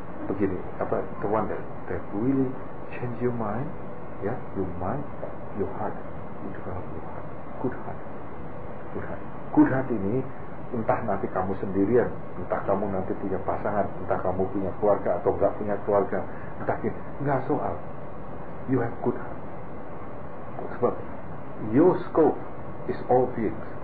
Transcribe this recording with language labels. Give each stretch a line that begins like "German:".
English: Begini, apa the one that really change your mind, yeah, your mind, your heart, into your heart, good heart.
Indonesian: Good heart ini, entah nanti kamu sendirian, entah kamu nanti punya pasangan, entah kamu punya keluarga atau enggak punya keluarga, entah ini, enggak soal.
English: You have good heart. Sebab your scope is all beings.